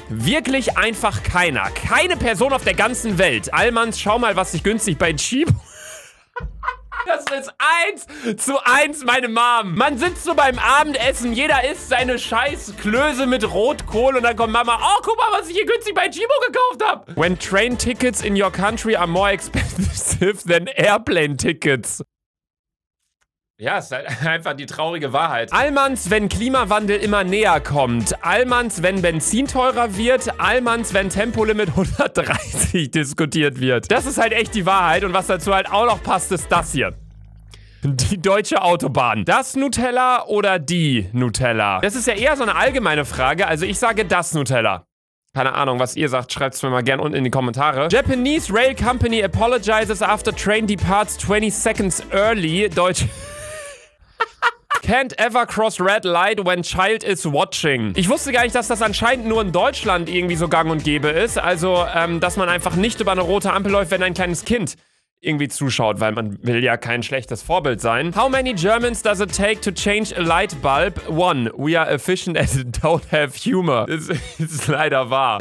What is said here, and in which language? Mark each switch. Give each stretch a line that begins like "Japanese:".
German: Wirklich einfach keiner. Keine Person auf der ganzen Welt. Allmanns, schau mal, was sich günstig bei Chibo. Das ist 1:1 meine Mom. Man sitzt so beim Abendessen, jeder isst seine scheiß Klöße mit Rotkohl und dann kommt Mama, oh, guck mal, was ich hier günstig bei Chibo gekauft hab.
English: When train tickets in your country are more expensive than airplane tickets.
German: Ja, ist halt einfach die traurige Wahrheit. Allmanns, wenn Klimawandel immer näher kommt. Allmanns, wenn Benzin teurer wird. Allmanns, wenn Tempolimit 130 diskutiert wird. Das ist halt echt die Wahrheit. Und was dazu halt auch noch passt, ist das hier. Die deutsche Autobahn. Das Nutella oder die Nutella? Das ist ja eher so eine allgemeine Frage. Also ich sage das Nutella. Keine Ahnung, was ihr sagt, schreibt es mir mal gern unten in die Kommentare.
English: Japanese Rail Company apologizes after train departs 20 seconds early. Deutsch... Can't ever cross red light when child is watching.
German: Ich wusste gar nicht, dass das anscheinend nur in Deutschland irgendwie so gang und gäbe ist. Also, dass man einfach nicht über eine rote Ampel läuft, wenn ein kleines Kind irgendwie zuschaut, weil man will ja kein schlechtes Vorbild sein.
English: How many Germans does it take to change a light bulb? One. We are efficient and don't have humor.
German: Das ist leider wahr.